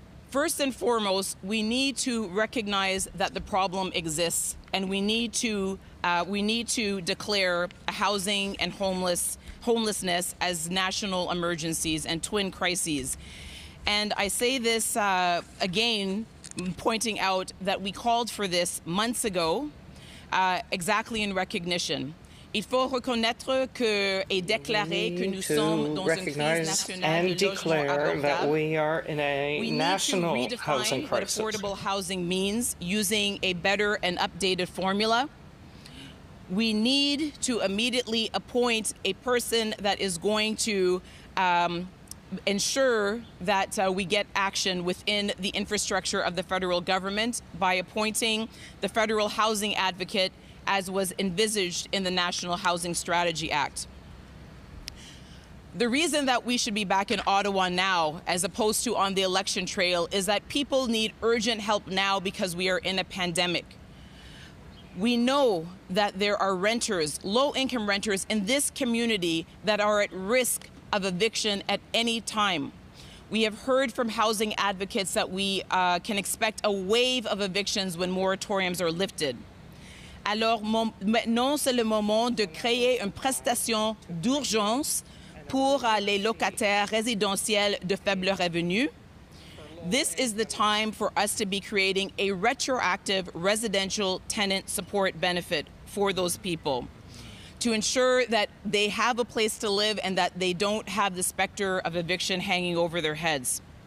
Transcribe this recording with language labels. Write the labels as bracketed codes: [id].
[en] First and foremost, we need to recognize that the problem exists, and we need to declare a housing and homelessness as national emergencies and twin crises. And I say this again, pointing out that we called for this months ago, exactly in recognition. [fr] Il faut reconnaître que et déclarer que nous sommes dans une crise nationale de logement abordable. [en] We need to redefine what affordable housing means using a better and updated formula. We need to immediately appoint a person that is going to ensure that we get action within the infrastructure of the federal government by appointing the federal housing advocate as was envisaged in the National Housing Strategy Act. The reason that we should be back in Ottawa now as opposed to on the election trail is that people need urgent help now because we are in a pandemic. We know that there are renters, low-income renters in this community that are at risk of eviction at any time. We have heard from housing advocates that we can expect a wave of evictions when moratoriums are lifted. [fr] Alors, maintenant, c'est le moment de créer une prestation d'urgence pour les locataires résidentiels de faible revenu. [en] This is the time for us to be creating a retroactive residential tenant support benefit for those people to ensure that they have a place to live and that they don't have the specter of eviction hanging over their heads.